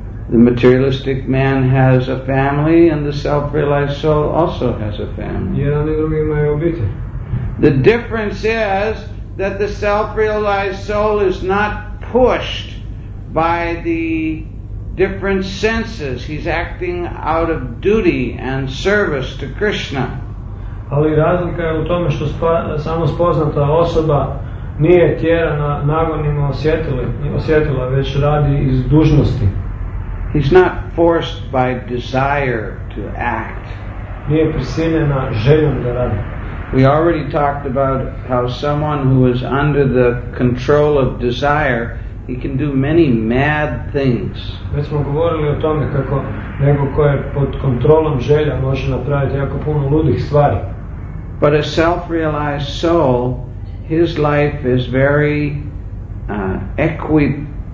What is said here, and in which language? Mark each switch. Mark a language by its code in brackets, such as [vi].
[en] The materialistic man has a family and the self-realized soul also has a family. [hr] Jedan i drugi imaju obitelj. [en] The difference is that the self-realized soul is not pushed by the different senses. He's acting out of duty and service to Krishna. [hr] Ali razlika je u tome što samospoznata osoba nije tjerana nagonima osjetila, već radi iz dužnosti. [en] He's not forced by desire to act. [hr] Nije prisiljena željom da radi. [en] We already talked about how someone who is under the control of desire, he can do many mad things. [hr] Već smo govorili o tome kako neko ko je pod kontrolom želja može napraviti jako puno ludih stvari. [en] But a self-realized soul, his life is very equipoised.